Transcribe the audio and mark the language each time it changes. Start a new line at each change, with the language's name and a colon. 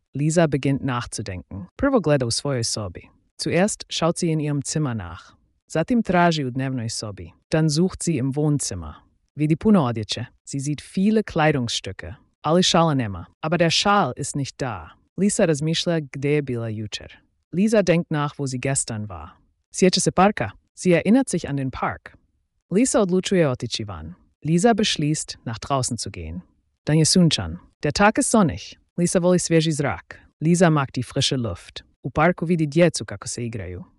German: Lisa beginnt nachzudenken.
Croatian: Prvo gleda u svojoj sobi.
German: Zuerst schaut sie in ihrem Zimmer nach.
Croatian: Zatim traži u dnevnoj sobi.
German: Dann sucht sie im Wohnzimmer.
Croatian: Vidi puno odjeće.
German: Sie sieht viele Kleidungsstücke.
Croatian: Alle Schale nema.
German: Aber der Schal ist nicht da.
Croatian: Lisa razmišlja gde je bila jučer.
German: Lisa denkt nach, wo sie gestern war.
Croatian: Sjeća se parka.
German: Sie erinnert sich an den Park.
Croatian: Lisa odlučuje otići van.
German: Lisa beschließt, nach draußen zu gehen.
Croatian: Dann je sunčan.
German: Der Tag ist sonnig.
Croatian: Lisa voli svježi zrak.
German: Lisa mag die frische Luft.
Croatian: U parku vidi djecu kako se igraju.